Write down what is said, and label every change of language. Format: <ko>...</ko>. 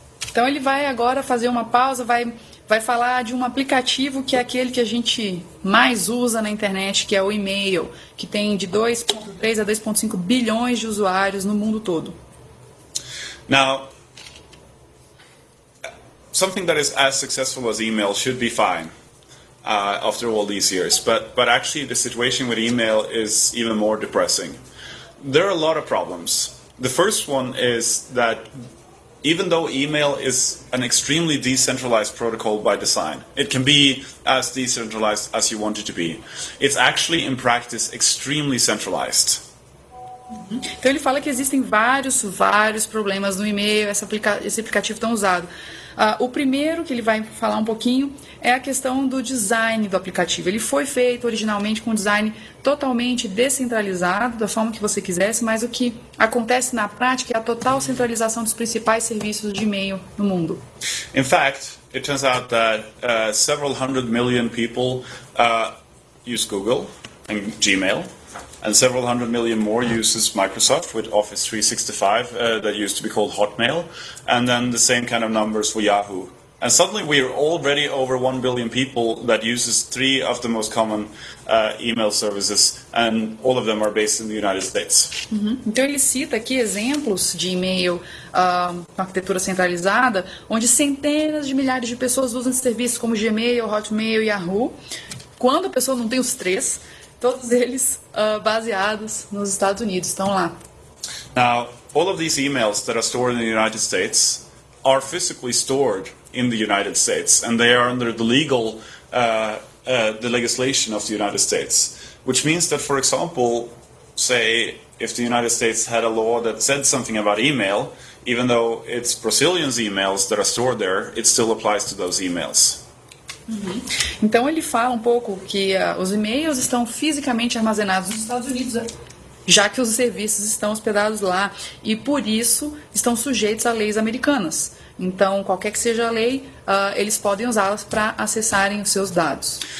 <pt>Então ele vai agora fazer uma pausa, vai falar de um aplicativo que é aquele que a gente mais usa na internet, que é o e-mail, que tem de 2.3 a 2.5 bilhões de usuários no mundo todo.</pt> <en>Now, something that is as successful as email should be fine after all these years, but actually the situation with email is even more depressing. There are a lot of problems. The first one is that even though email is an extremely decentralized protocol by design, it can be as decentralized as you want it to be, it's actually in practice extremely centralized.</en> <pt>Então ele fala que existem vários problemas no e-mail, esse aplicativo tão usado. O primeiro que ele vai falar um pouquinho é a questão do design do aplicativo. Ele foi feito originalmente com um design totalmente descentralizado, da forma que você quisesse, mas o que acontece na prática é a total centralização dos principais serviços de e-mail no mundo.</pt> <en>In fact, it turns out that several hundred million people use Google and Gmail, and several hundred million more uses Microsoft with Office 365, that used to be called Hotmail, and then the same kind of numbers for Yahoo. And suddenly we are already over 1 billion people that uses three of the most common email services, and all of them are based in the United States. Uhum.</en> <pt>Então ele cita aqui exemplos de e-mail com arquitetura centralizada, onde centenas de milhares de pessoas usam serviços como Gmail, Hotmail, Yahoo. Quando a pessoa não tem os três, todos eles baseados nos Estados Unidos, estão lá.</pt> <en>Now, all of these emails that are stored in the United States are physically stored in the United States, and they are under the legal, the legislation of the United States, which means that, for example, say, if the United States had a law that said something about email, even though it's Brazilians' emails that are stored there, it still applies to those emails. Uhum.</en> <pt>Então ele fala um pouco que os e-mails estão fisicamente armazenados nos Estados Unidos, já que os serviços estão hospedados lá e por isso estão sujeitos a leis americanas. Então, qualquer que seja a lei, eles podem usá-las para acessarem os seus dados.</pt>